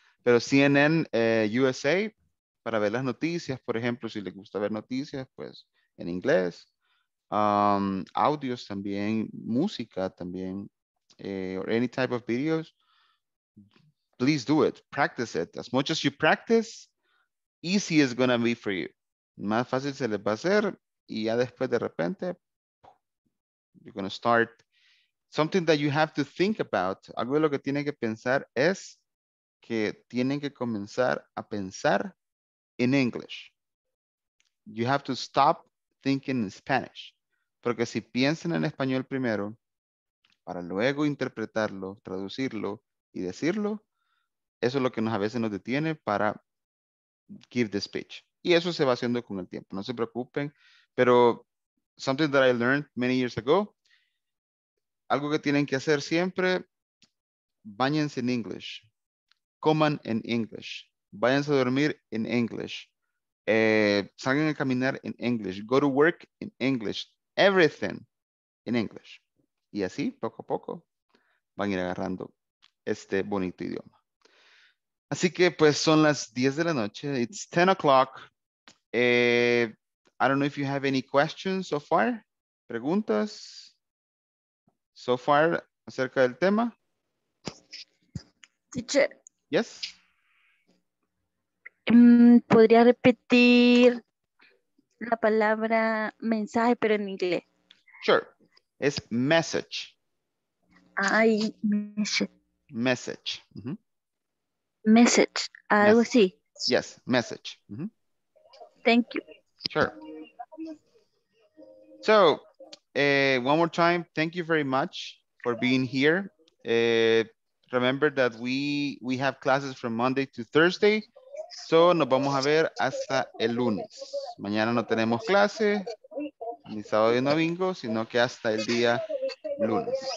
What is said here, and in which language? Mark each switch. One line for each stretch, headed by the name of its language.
Spanish: Pero CNN USA, para ver las noticias, por ejemplo, si le gusta ver noticias, pues en inglés. Audios también, música también,
English: or any type of videos, please do it, practice it. As much as you practice, easy is gonna be for you.
Spanish: Más fácil se les va a hacer, y ya después de repente,
English: you're gonna start. Something that you have to think about,
Spanish: algo de lo que tienen que pensar es que tienen que comenzar a pensar
English: in English. You have to stop thinking in Spanish.
Spanish: Porque si piensan en español primero, para luego interpretarlo, traducirlo y decirlo, eso es lo que a veces nos detiene para
English: give the speech.
Spanish: Y eso se va haciendo con el tiempo, no se preocupen. Pero
English: something that I learned many years ago,
Spanish: algo que tienen que hacer siempre, báñense en English, coman en English, váyanse a dormir en English, salgan a caminar en English,
English: go to work in English. Everything in English.
Spanish: Y así, poco a poco, van a ir agarrando este bonito idioma. Así que, pues, son las 10 de la noche.
English: It's 10 o'clock. I don't know if you have any questions so far.
Spanish: ¿Preguntas?
English: So far,
Spanish: acerca del tema.
English: Teacher. Yes.
Spanish: ¿Podría repetir la palabra mensaje, pero en inglés?
English: Sure. It's message. Ay, message. Message. Mm-hmm. Message. I will see. Yes, message. Mm-hmm. Thank you. Sure. So, one more time, thank you very much for being here. Remember that we have classes from Monday to Thursday.
Spanish: So, nos vamos a ver hasta el lunes. Mañana no tenemos clase, ni sábado ni domingo, sino que hasta el día lunes.